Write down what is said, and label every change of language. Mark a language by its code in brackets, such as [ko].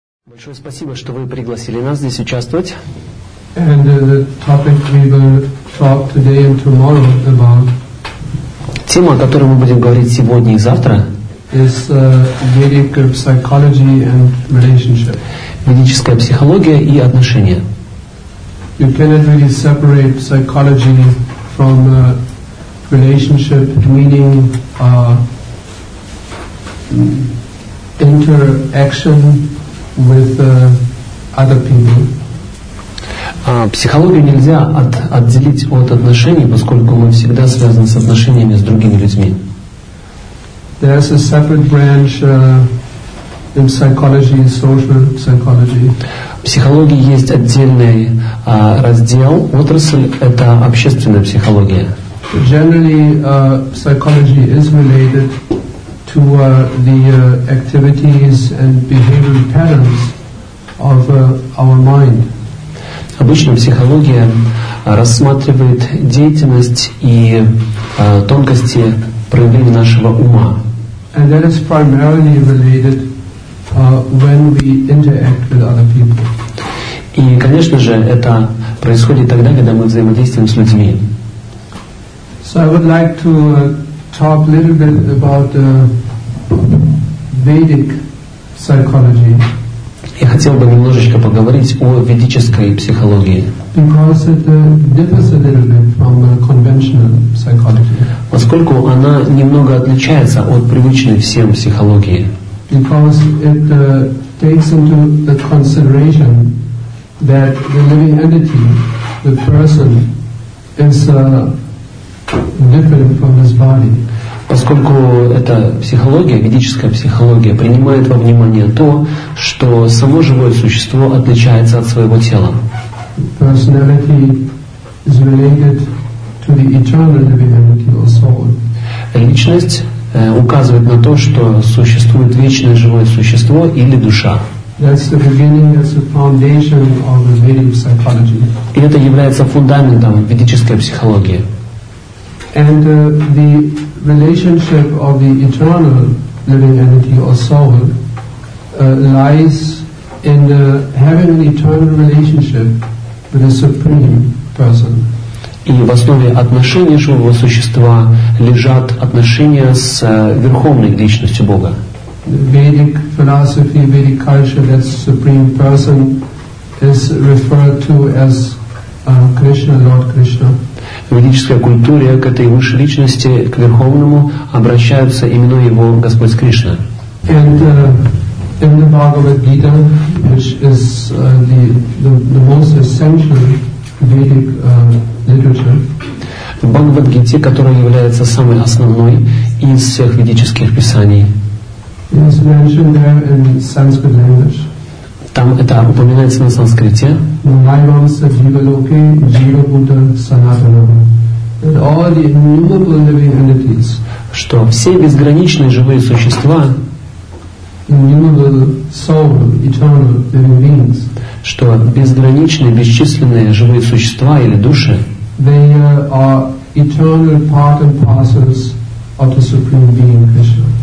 [ru] Большое спасибо, что вы пригласили нас здесь участвовать. [en] And the topic we will talk today and tomorrow about. [ru] Тема, о которой мы будем говорить сегодня и завтра, [en] is Vedic psychology and relationship. [ru] Ведическая психология и отношения. [en] You cannot really separate psychology from relationship, meaning interaction with other people. [ru] Психологию нельзя отделить от отношений, поскольку мы всегда связаны с отношениями с другими людьми. [en] There is a separate branch in psychology, social psychology. [ru] В психологии есть отдельный раздел, отрасль — это общественная психология. [en] Generally, psychology is related to the activities and behavioral patterns of our mind. [ru] Обычно психология рассматривает деятельность и тонкости проявления нашего ума. [en] And that is primarily related when we interact with other people. [ru] И, конечно же, это происходит тогда, когда мы взаимодействуем с людьми. [en] So I would like to talk a little bit about Vedic psychology. [ru] Я хотел бы немножечко поговорить о ведической психологии. [en] Because it differs a little bit from conventional psychology. [ru] Поскольку она немного отличается от привычной всем психологии. [en] Because it takes into the consideration that the living entity, the person, is different from his body. [ru] Поскольку эта психология, ведическая психология, принимает во внимание то, что само живое существо отличается от своего тела. [en] Personality is related to the eternal living entity or soul. [ru] Личность указывает на то, что существует вечное живое существо или душа. [en] That's the beginning, that's the foundation of the Vedic psychology. [ru] И это является фундаментом ведической психологии. [en] And the relationship of the eternal living entity or soul lies in having an eternal relationship with the supreme person. [ru] И в основе отношений живого существа лежат отношения с верховной личностью Бога. [en] The Vedic philosophy, Vedic culture, that supreme person is referred to as Krishna, Lord Krishna. [ru] В ведической культуре к этой высшей личности, к Верховному, обращаются именно его Господь Кришна. [en] And in the Bhagavad Gita, which is the most essential Vedic literature. [ru] В Бхагавад-гите, которая является самой основной из всех ведических писаний. [en] It is mentioned there in Sanskrit language. [ru] Там это упоминается на санскрите. [sa] Наивамса Дживаллоке Дживабута Санатанава. [en] That all the innumerable living entities. [ru] Что все безграничные живые существа. [en] Innumerable soul, eternal living beings. [ru] Что безграничные, бесчисленные живые существа или души. [en] They are eternal part and parcels of the Supreme Being, Krishna.